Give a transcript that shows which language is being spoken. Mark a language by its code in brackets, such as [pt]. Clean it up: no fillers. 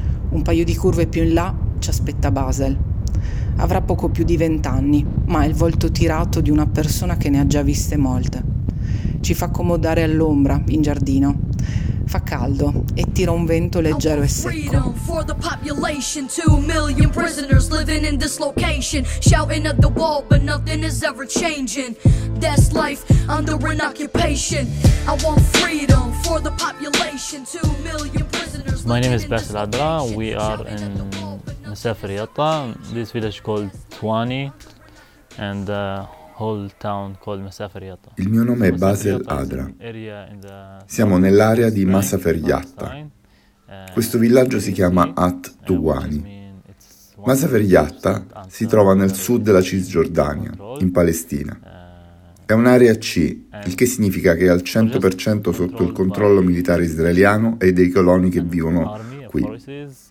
[it] Un paio di curve più in là ci aspetta Basel. Avrà poco più di 20 anni, ma ha il volto tirato di una persona che ne ha già viste molte. Ci fa accomodare all'ombra, in giardino. Fa caldo e tira un vento leggero e secco. [en] 2 million prisoners living in this location, shouting at the wall, but nothing is ever changing. That's life under an occupation. I want freedom for the population. 2 million prisoners. My name is Basil Adra. We are in Masafer Yatta, this village called Tuani, and the whole town called Masafer Yatta. [it] Il mio nome è Basil Adra. Siamo nell'area di Masafer Yatta. Questo villaggio si chiama At Tuani. Masafer Yatta si trova nel sud della Cisgiordania, in Palestina. È un'area C, il che significa che è al 100% sotto il controllo militare israeliano e dei coloni che vivono qui.